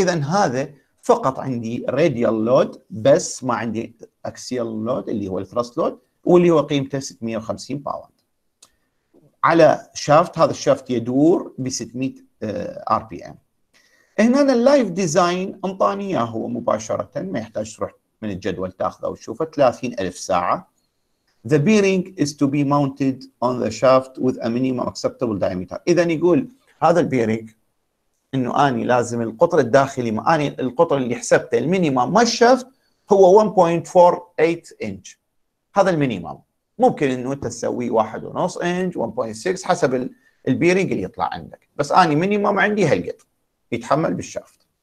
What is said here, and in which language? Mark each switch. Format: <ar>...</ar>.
<ar>اذا هذا فقط عندي راديال لود بس ما عندي اكسيال لود اللي هو الثرست لود واللي هو قيمته 650 باوند. على شافت، هذا الشافت يدور ب 600 ار بي ام. هنا اللايف ديزاين انطاني اياه هو مباشره، ما يحتاج تروح من الجدول تاخذه وتشوفه، 30,000 ساعه.</ar> <en>The bearing is to be mounted on the shaft with a minimum acceptable diameter.</en> <ar>اذا يقول هذا البيرنج انه اني لازم القطر الداخلي، ما اني القطر اللي حسبته المينيمم ما الشافت هو 1.48 انش. هذا المينيمم، ممكن انه انت تسوي 1.5 انش 1.6 حسب البيرنج اللي يطلع عندك، بس اني مينيمم عندي هالقد يتحمل بالشافت.</ar>